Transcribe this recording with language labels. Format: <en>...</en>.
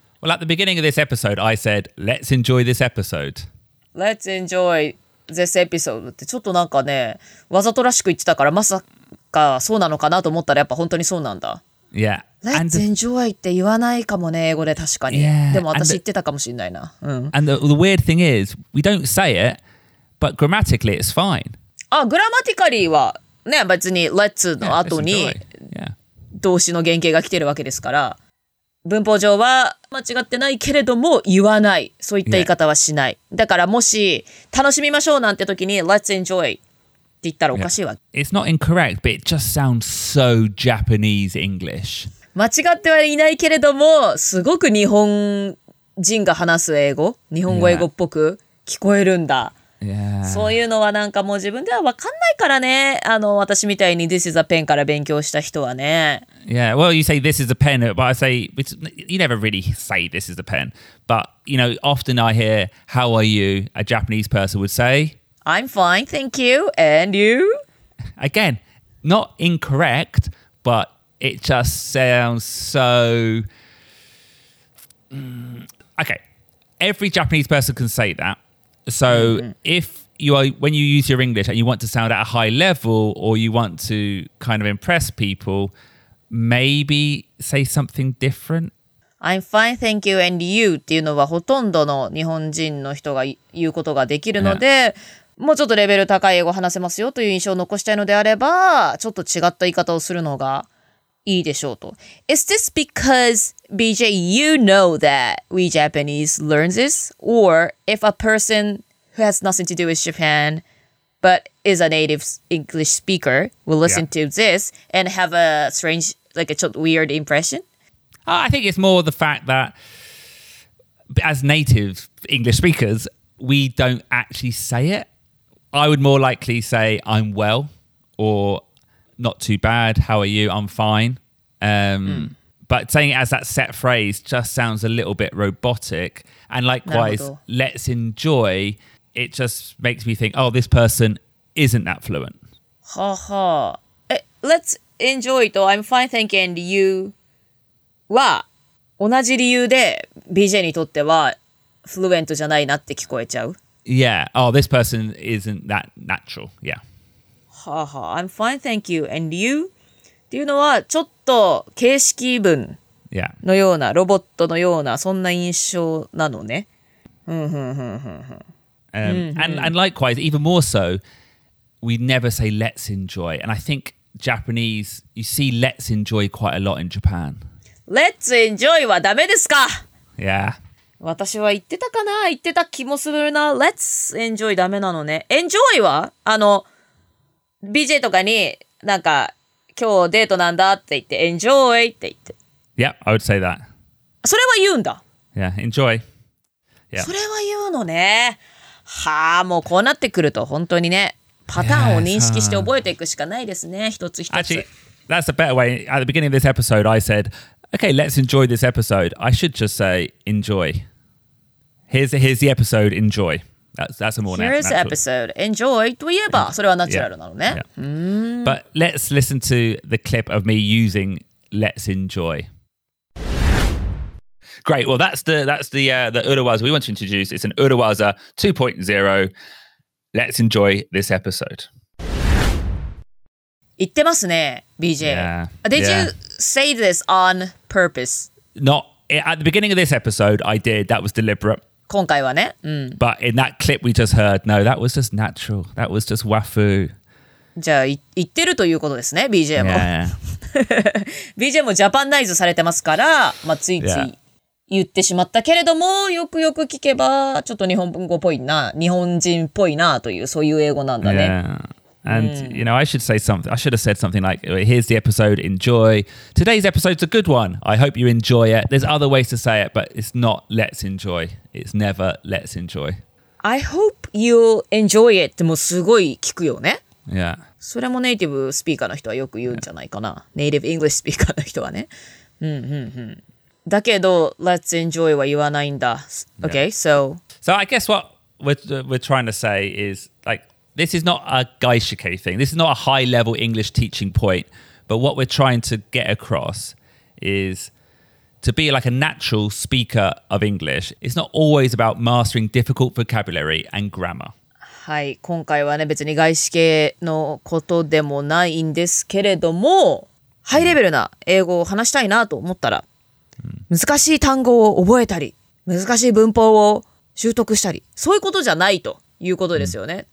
<en>Well, at the beginning of this episode, I said, let's enjoy this episode. Let's enjoy this episode.</en> <ja>ってちょっとなんかね、わざとらしく言ってたから、まさかそうなのかなと思ったらやっぱ本当にそうなんだ。</ja> <en>Yeah. Let's the... enjoy</en> <ja>って言わないかもね、英語で確かに。</ja> <en>Yeah.</en> <ja>でも私言ってたかもしれないな。</ja> <en>And the...</en> <ja>うん。</ja> <en>And the weird thing is, we don't say it, but grammatically it's fine.</en> <ja>あ、グラマティカリーはね、別に let's の後に、</ja> <en>yeah,</en> <ja>動詞の原型が来てるわけですから文法上は間違ってないけれども言わないそういった言い方はしない、</ja> <en>yeah.</en> <ja>だからもし楽しみましょうなんて時に</ja> <en>Let's enjoy</en> <ja>って言ったらおかしいわ、</ja> <en>yeah. It's not incorrect but it just sounds so Japanese English</en> <ja>間違ってはいないけれどもすごく日本人が話す英語日本語英語っぽく聞こえるんだ、</ja> <en>yeah.</en> <ja>そういうのはなんかもう自分では分かんないからね、あの私みたいに</ja> <en>This is a pen</en> <ja>から勉強した人はね。</ja> <en>Yeah, well, you say this is a pen, but I say you never really say this is a pen. But you know, often I hear, "How are you?" A Japanese person would say, "I'm fine, thank you." And you? Again, not incorrect, but it just sounds so. Okay, every Japanese person can say that. So if you are, when you use your English and you want to sound at a high level or you want to kind of impress people, maybe say something different. I'm fine, thank you, and you</en> <ja>っていうのはほとんどの日本人の人が言うことができるので、</ja> <en>yeah.</en> <ja>もうちょっとレベル高い英語を話せますよという印象を残したいのであれば、ちょっと違った言い方をするのがいいでしょうと。</ja> <en>Is this because, BJ, you know that we Japanese learn this? Or if a personWho has nothing to do with Japan, but is a native English speaker, will listen to this and have a strange, like a weird impression? I think it's more the fact that as native English speakers, we don't actually say it. I would more likely say, I'm well, or not too bad, how are you, I'm fine. But saying it as that set phrase just sounds a little bit robotic. And likewise, let's enjoy... It just makes me think, oh, this person isn't that fluent.</en> <ja>はは。</ja> <en>Let's enjoy</en> <ja>と</ja> <en>I'm fine, thank you, and you</en> <ja>は同じ理由で BJ にとってはフルエントじゃないなって聞こえちゃう。</ja> <en>Yeah, oh, this person isn't that natural, yeah. はは、I'm fine, thank you, and you?</en> <ja>っていうのはちょっと形式文のような、</ja> <en>yeah.</en> <ja>ロボットのようなそんな印象なのね。</ja> <en>And likewise, even more so, we never say let's enjoy. And I think Japanese, you see let's enjoy quite a lot in Japan. Let's enjoy</en> <ja>はダメですか?</ja> <en>Yeah.</en> <ja>私は言ってたかな?言ってた気もするな。</ja> <en>Let's enjoy</en> <ja>ダメなのね。</ja> <en>Enjoy</en> <ja>は? あの、BJ とかになんか今日デートなんだって言って</ja> <en>enjoy</en> <ja>って言って。</ja> <en>Yeah, I would say that.</en> <ja>それは言うんだ。</ja> <en>Yeah, enjoy. Yeah.</en> <ja>それは言うのね。はあ、もうこうなってくると本当にね、パターンを認識して覚えていくしかないですね、一つ一つ。</ja> <en>Actually, that's a better way. At the beginning of this episode, I said, okay, let's enjoy this episode. I should just say, enjoy. Here's the episode, enjoy. That's a more natural. Here's the episode, enjoy.</en> <ja>といえば、それはナチュラルなのね。</ja> <en>Yeah. But let's listen to the clip of me using let's enjoy. Great. Well, that's the urawaza we want to introduce. It's an urawaza 2.0. Let's enjoy this episode.</en> <ja>言ってますね, BJ.</ja> <en>Yeah. Did you say this on purpose? Not at the beginning of this episode, I did. That was deliberate.</en> <ja>今回はね。</ja> <en>But in that clip we just heard, no, that was just natural. That was just wafu.</en> <ja>じゃあ言ってるということですね, BJ も。</ja> <en>Yeah.</en> <ja>BJ もジャパンナイズされてますから、まあついつい。言ってしまったけれども、よくよく聞けば、ちょっと日本語っぽいな、日本人っぽいなという、そういう英語なんだね。</ja> <en>Yeah. And,、</en> <ja>うん、</ja> <en>you know, I should say something, I should have said something like, here's the episode, enjoy. Today's episode's a good one. I hope you enjoy it. There's other ways to say it, but it's not let's enjoy. It's never let's enjoy. I hope you enjoy it.</en> <ja>もすごい聞くよね。</ja> <en>Yeah.</en> <ja>それもネイティブスピーカーの人はよく言うんじゃないかな。ネイティブイングリッシュスピーカーの人はね。うんうんうん。だけど、</ja> <en>Let's enjoy</en> <ja>は言わないんだ。</ja> <en>Yeah. Okay, so... So I guess what we're trying to say is, like, this is not a gaishike thing. This is not a high-level English teaching point. But what we're trying to get across is to be like a natural speaker of English. It's not always about mastering difficult vocabulary and grammar.</en> <ja>はい、今回はね別に外資系のことでもないんですけれども、ハイレベルな英語を話したいなと思ったら、難しい単語を覚えたり、難しい文法を習得したり、そういうことじゃないということですよね。</ja>